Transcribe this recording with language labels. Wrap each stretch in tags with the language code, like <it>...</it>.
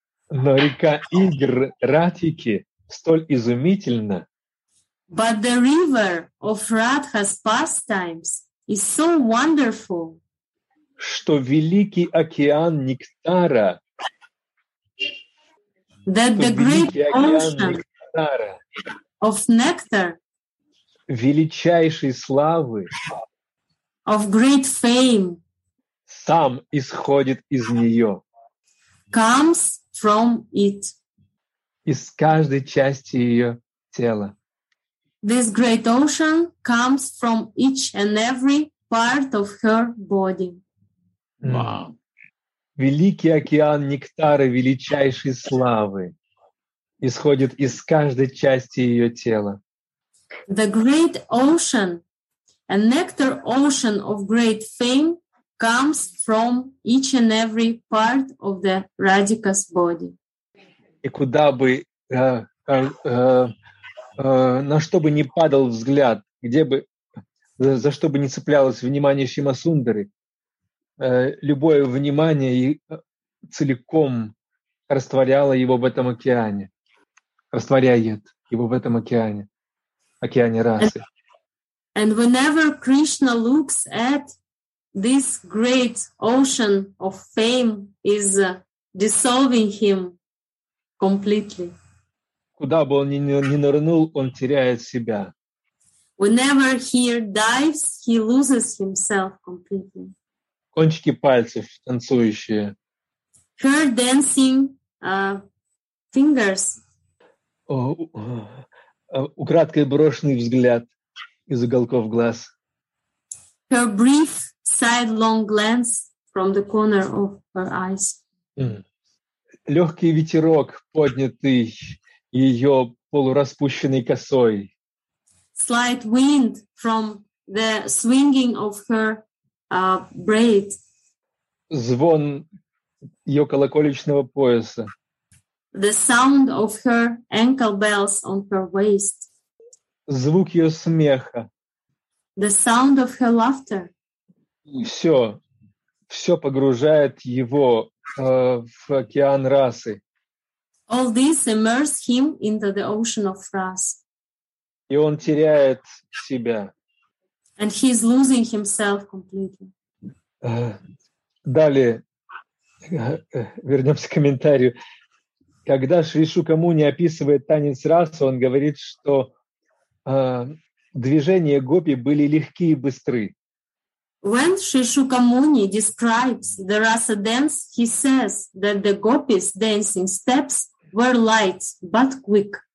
<ru>Но река Игр Радхики столь изумительна.</ru> <en>But the river of Radha's pastimes is so wonderful.</en> <ru>Что великий океан нектара.</ru> <en>That the great ocean</en> <ru>нектара,</ru> <en>of nectar.</en> <ru>Величайшей славы.</ru> <en>Of great fame.</en> <ru>Сам исходит из нее.</ru> <en>Comes from it.</en> <ru>Из каждой части ее тела.</ru> <en>This great ocean comes from each and every part of her body. Wow.</en> <ru>Великий океан нектара величайшей славы исходит из каждой части ее тела.</ru> <en>The great ocean, a nectar ocean of great fame, comes from each and every part of the Radhika's body.</en> <ru>И куда бы, на что бы ни падал взгляд, где бы, за что бы ни цеплялось внимание Шимасундары, любое внимание и целиком растворяло его в этом океане, растворяет его в этом океане, океане расы.</ru> <en>And whenever Krishna looks at this great ocean of fame is dissolving him completely.</en> <ru>Куда бы он ни нырнул, он теряет себя.</ru> <en>Whenever he dives, he loses himself completely.</en> <ru>Кончики пальцев танцующие.</ru> <en>Her dancing fingers.</en> <ru>Украдкой брошенный взгляд из уголков глаз.</ru> <en>Her brief sidelong glance from the corner of her eyes.</en> <ru>Легкий ветерок, поднятый ее полураспущенной косой.</ru> <en>Slight wind from the swinging of her braid.</en> <ru>Звон ее колокольчного пояса.</ru> <en>The sound of her ankle bells on her waist.</en> <ru>Звук ее смеха.</ru> <en>The sound of her laughter.</en> <ru>Все, все погружает его в океан расы.</ru> <en>All this immerses him into the ocean of Ras.</en> <ru>И он теряет себя.</ru> <en>And he is losing himself completely.</en> <ru>Далее, вернемся к комментарию. Когда Шри Шукамуни описывает танец расы, он говорит, что движения гопи были легки и быстры.</ru> <en>When Shri Shukamuni describes the Rasa dance, he says that the gopis' dancing steps were light but quick.</en>